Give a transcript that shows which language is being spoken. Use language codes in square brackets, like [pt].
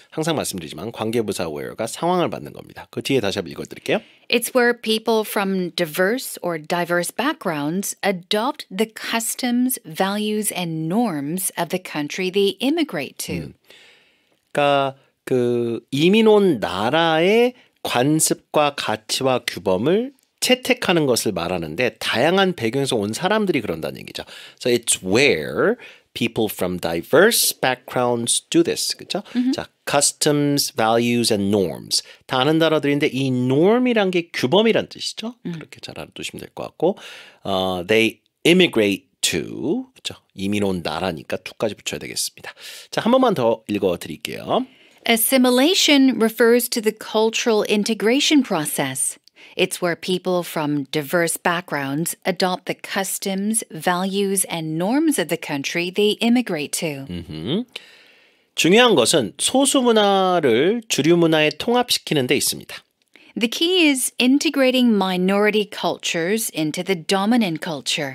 [ko] 항상 말씀드리지만 관계부사 where가 상황을 받는 겁니다. 그 뒤에 다시 한번 읽어드릴게요. [en] It's where people from diverse or diverse backgrounds adopt the customs, values, and norms of the country they immigrate to. [ko] 그러니까 그 이민 온 나라의 관습과 가치와 규범을 채택하는 것을 말하는데 다양한 배경에서 온 사람들이 그런다는 얘기죠. [en] So it's where people from diverse backgrounds do this. [ko] 그렇죠? Mm-hmm. [en] 자, customs, values, and norms. [ko] 다 아는 단어들인데 이 norm이란 게 규범이란 뜻이죠. Mm-hmm. 그렇게 잘 알아두시면 될 것 같고 [en] they immigrate to, [ko] 그렇죠? 이민 온 나라니까 to까지 붙여야 되겠습니다. 자, 한 번만 더 읽어드릴게요. [en] Assimilation refers to the cultural integration process. It's where people from diverse backgrounds adopt the customs, values, and norms of the country they immigrate to. Mm-hmm. [ko] 중요한 것은 소수 문화를 주류 문화에 통합시키는 데 있습니다. [en] The key is integrating minority cultures into the dominant culture.